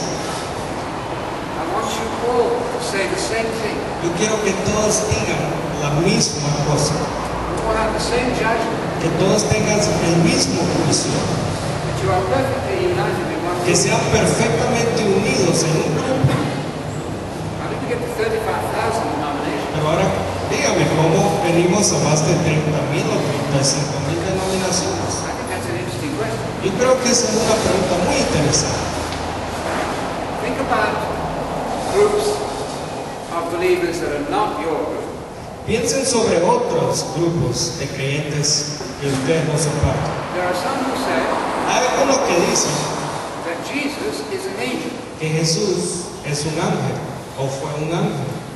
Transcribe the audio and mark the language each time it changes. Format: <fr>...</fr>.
<en>I want you all to say the same thing.</en> <es>Yo quiero que todos digan la misma cosa.</es> <en>You all have the same judgment.</en> <es>Que todos tengan el mismo juicio.</es> <en>That you are perfectly united in one place.</en> <es>Que sean perfectamente unidos en un grupo.</es> <en>How did you get the 35,000 denominations?</en> <es>Pero ahora, dígame, ¿cómo venimos a más de 30,000 o 35,000 denominaciones?</es> <en>I think that's an interesting question.</en> <es>Yo creo que esa es una pregunta muy interesante.</es> <en>Think about groups of believers that are not your group.</en> <es>Piensen sobre otros grupos de creyentes que ustedes no son parte.</es> <en>There are some who say,</en> <es>hay algunos que dicen</es> <en>that Jesus is an angel.</en> <es>Que Jesús es un ángel o fue un ángel.</es>